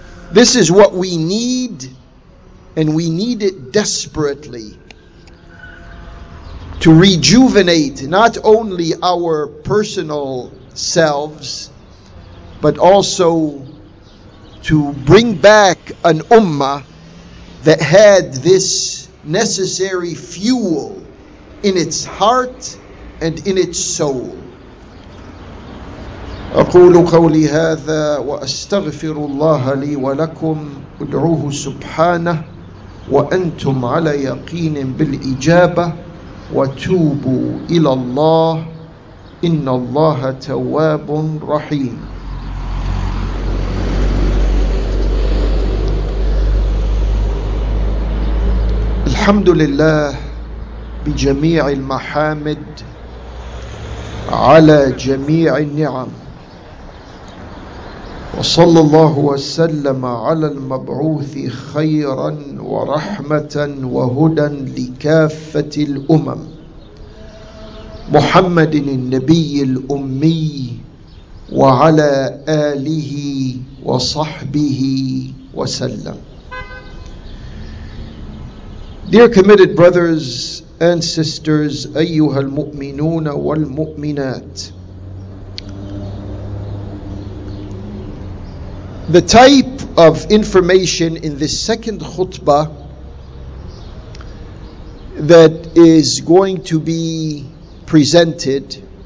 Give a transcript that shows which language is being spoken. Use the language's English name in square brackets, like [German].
[English] This is what we need, and we need it desperately, to rejuvenate not only our personal selves, but also to bring back an ummah that had this necessary fuel in its heart and in its soul. [Arabic] أقول قولي هذا وأستغفر الله لي ولكم ادعوه سبحانه وأنتم على يقين بالإجابة وتوبوا إلى الله إن الله تواب رحيم. الحمد لله بجميع المحامد على جميع النعم، وصلى الله وسلم على المبعوث خيرا ورحمة وهدى لكافة الأمم محمد النبي الأمي وعلى آله وصحبه وسلم. [English] Dear committed brothers and sisters, [Arabic] أيها المؤمنون والمؤمنات, [English] the type of information in this second khutbah that is going to be presented,